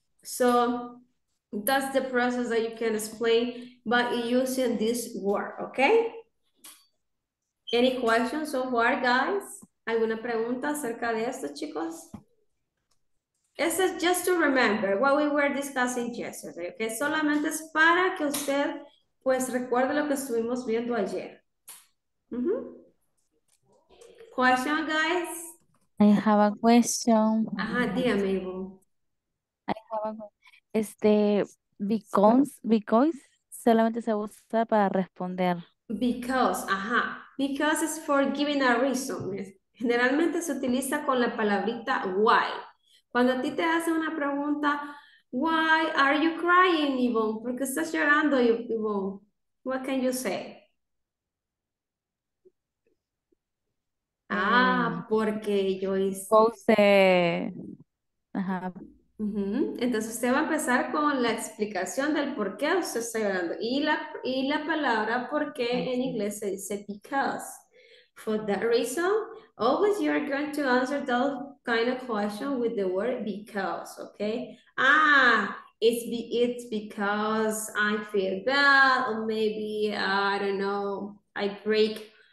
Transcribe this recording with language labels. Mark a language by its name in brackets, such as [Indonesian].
[English] So that's the process that you can explain by using this word, okay? Any questions so far, guys? [Spanish] ¿Alguna pregunta acerca de esto, chicos? [English] This is just to remember what we were discussing yesterday, okay? [Spanish] Solamente es para que usted pues recuerde lo que estuvimos viendo ayer. [English] Mm-hmm. Question, guys? I have a question. [Spanish] Ajá, dígame, Ivo. [English] I have a question. Because [Spanish] solamente se usa para responder. [English] Because, ajá. Because is for giving a reason. [Spanish] Generalmente se utiliza con la palabrita why. Cuando a ti te hace una pregunta, [English] why are you crying, Yvonne? [Spanish] ¿Por qué estás llorando, Yvonne? [English] What can you say? [Spanish] Ah, porque yo hice... Pose. Ajá. Uh-huh. Entonces usted va a empezar con la explicación del por qué usted está llorando. Y la palabra por qué en inglés se dice because. [English] For that reason, always you are going to answer that kind of question with the word because, okay? Ah, it's because I feel bad, or maybe, I don't know, I break